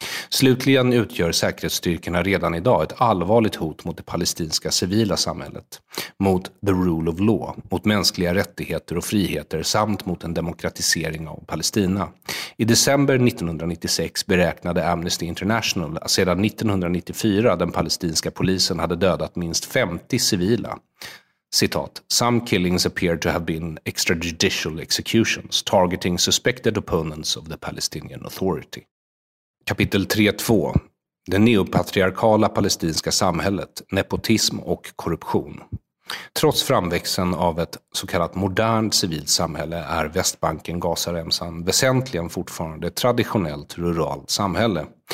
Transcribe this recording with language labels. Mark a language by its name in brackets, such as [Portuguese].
[Swedish] Slutligen utgör säkerhetsstyrkorna redan idag ett allvarligt hot mot det palestinska civila samhället, mot [English] the rule of law, [Swedish] mot mänskliga rättigheter och friheter samt mot en demokratisering av Palestina. I december 1996 beräknade Amnesty International att sedan 1994 den palestinska polisen hade dödat minst 50 civila. Citat, [English] some killings appear to have been extrajudicial executions targeting suspected opponents of the Palestinian Authority. [Swedish] Kapitel 3.2. Det neopatriarkala palestinska samhället, nepotism och korruption. Trots framväxten av ett så kallat modernt civilt samhälle är Västbanken Gazaremsan väsentligen fortfarande ett traditionellt ruralt samhälle.